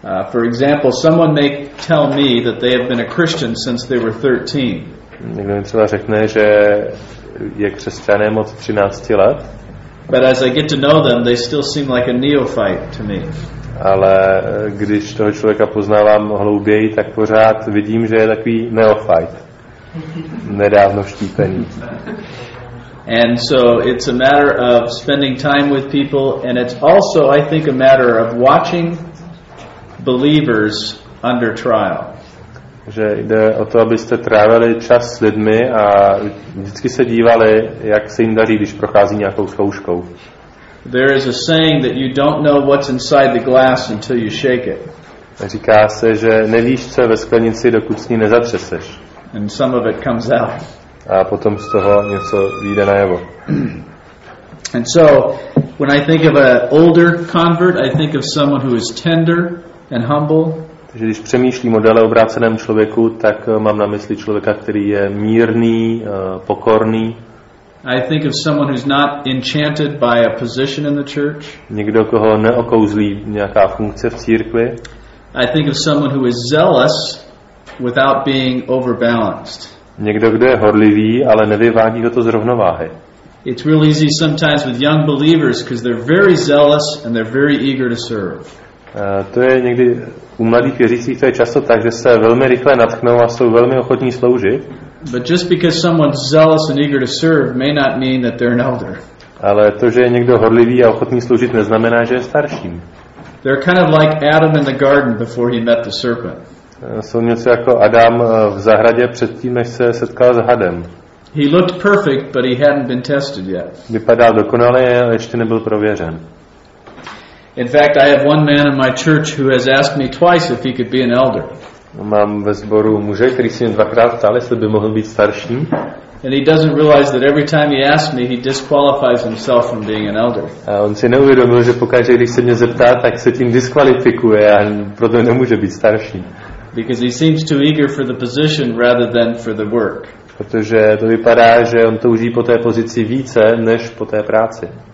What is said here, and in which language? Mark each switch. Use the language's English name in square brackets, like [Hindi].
[English] For example, someone may tell me that they have been a Christian since they were 13. [Czech] Někdo mi třeba řekne, že je křesťanem od 13 let. [English] But as I get to know them, they still seem like a neophyte to me. [Czech] Ale když toho člověka poznávám hlouběji, tak pořád vidím, že je takový neophyte. Nedávno vštípený. [English] And so it's a matter of spending time with people, and it's also, I think, a matter of watching believers under trial. [Czech] Že jde o to, abyste trávili čas s lidmi a vždycky se dívali, jak se jim daří, když prochází nějakou zkouškou. [English] There is a saying that you don't know what's inside the glass until you shake it. [Czech] Říká se, že nevíš, co je ve sklenici, dokud s ní nezatřeseš. [English] And some of it comes out. [Czech] A potom z toho něco vyjde najevo. [English] And so, when I think of an older convert, I think of someone who is tender and humble. [Czech] Takže když přemýšlím o dále obráceném člověku, tak mám na mysli člověka, který je mírný, pokorný. [English] I think of someone who's not enchanted by a position in the church. [Czech] Někdo, koho neokouzlí nějaká funkce v církvi. [English] I think of someone who is zealous without being overbalanced. [Czech] Někdo, kdo je horlivý, ale nevyvádí ho to z rovnováhy. [English] It's real easy sometimes with young believers because they're very zealous and they're very eager to serve. [Czech] To je někdy u mladých věřících, to je často tak, že se velmi rychle natchnou a jsou velmi ochotní sloužit. [English] But just because someone's zealous and eager to serve may not mean that they're an elder. [Czech] Ale to, že je někdo horlivý a ochotný sloužit, neznamená, že je starším. [English] They're kind of like Adam in the garden before he met the serpent. [Czech] Jsou něco jako Adam v zahradě předtím, než se setkal s hadem. [English] He looked perfect, but he hadn't been tested yet. [Czech] Vypadal dokonale, ale ještě nebyl prověřen. [English] In fact, I have one man in my church who has asked me twice if he could be an elder. [Czech] Mám ve sboru muže, který si mě dvakrát ptal, jestli by mohl být starším. [English] And he doesn't realize that every time he asks me, he disqualifies himself from being an elder. [Czech] A on si neuvědomil, že pokaždé, když se mě zeptá, tak se tím diskvalifikuje a proto nemůže být starším. [English] Because he seems too eager for the position rather than for the work. [Czech] Protože to vypadá, že on touží po té pozici více než po té práci.